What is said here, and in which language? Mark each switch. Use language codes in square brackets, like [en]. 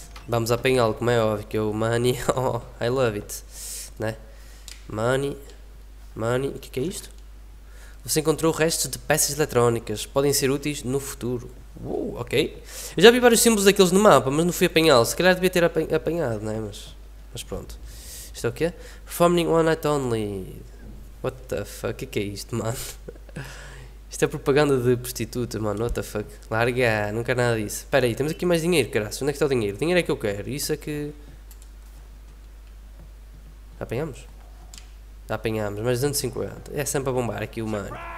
[pt] Vamos apanhá-lo, como é óbvio, que é o money, [en] oh, I love it. [pt] Né? Money, money, o que é isto? Você encontrou restos de peças eletrónicas, podem ser úteis no futuro. Ok. Eu já vi vários símbolos daqueles no mapa, mas não fui apanhá-lo. Se calhar devia ter apanhado, né? Mas pronto. Isto é o quê? [en] Performing One Night Only. What the fuck? [pt] O que é isto, mano? Isto é propaganda de prostituta, mano. [en] What the fuck? [pt] Larga, não quero nada disso. Espera aí, temos aqui mais dinheiro, caralho. Onde é que está o dinheiro? Dinheiro é que eu quero. Isso é que... Apanhamos? Apanhamos, mais 250. É sempre a bombar aqui o mano.